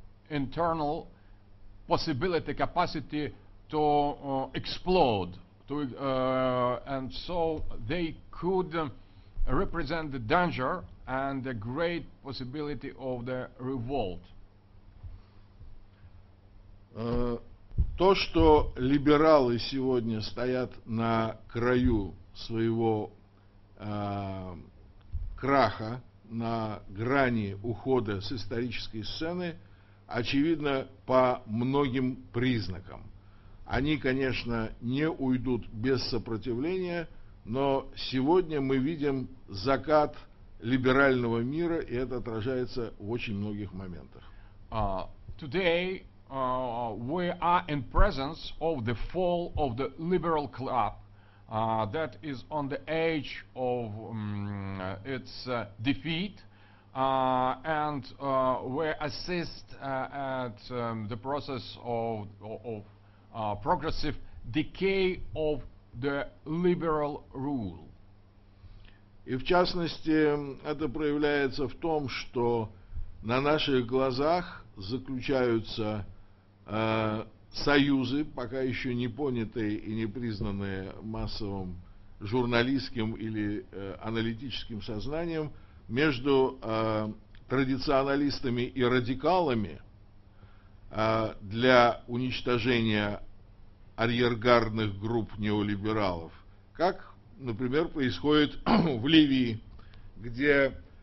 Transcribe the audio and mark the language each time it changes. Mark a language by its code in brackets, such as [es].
[en] internal possibility, capacity to explode, to and so they could represent the danger and the great possibility of the revolt. [ru] То, что либералы сегодня стоят на краю своего краха, на грани ухода с исторической сцены, очевидно по многим признакам. Они, конечно, не уйдут без сопротивления, но сегодня мы видим закат либерального мира, и это отражается в очень многих моментах. [en] Today we are in presence of the fall of the liberal club that is on the edge of its defeat, and we assist at the process of progressive decay of the liberal rule. [ru] И в частности, это проявляется в том, что на наших глазах заключаются союзы, пока еще не понятые и не признанные массовым журналистским или аналитическим сознанием, между традиционалистами и радикалами для уничтожения арьергардных групп неолибералов, как, например, происходит в Ливии, где